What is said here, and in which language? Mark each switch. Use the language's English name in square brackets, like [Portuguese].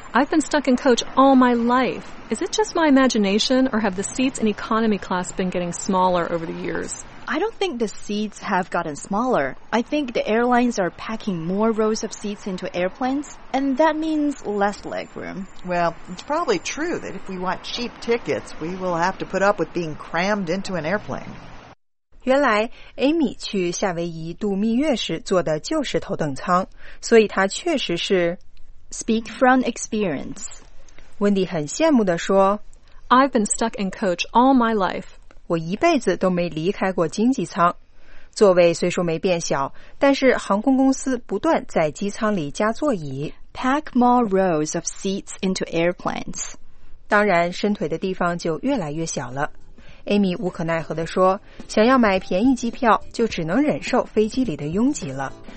[English] I've been stuck in coach all my life. Is it just my imagination, or have the seats in economy class been getting smaller over the years? I don't think the seats have gotten smaller. I think the airlines are packing more rows of seats into airplanes, and that means less legroom. Well, it's probably true that if we want cheap tickets, we will have to put up with being crammed into an airplane. [Chinese] 原来 Amy 去夏威夷度蜜月时坐的就是头等舱，所以她确实是 [English] Speak from experience. [Chinese] Wendy 很羡慕地说 [English] I've been stuck in coach all my life. [Chinese] 我一辈子都没离开过经济舱，座位虽说没变小，但是航空公司不断在机舱里加座椅。 [English] Pack more rows of seats into airplanes. [Chinese] 当然，伸腿的地方就越来越小了。Amy 无可奈何地说，想要买便宜机票，就只能忍受飞机里的拥挤了。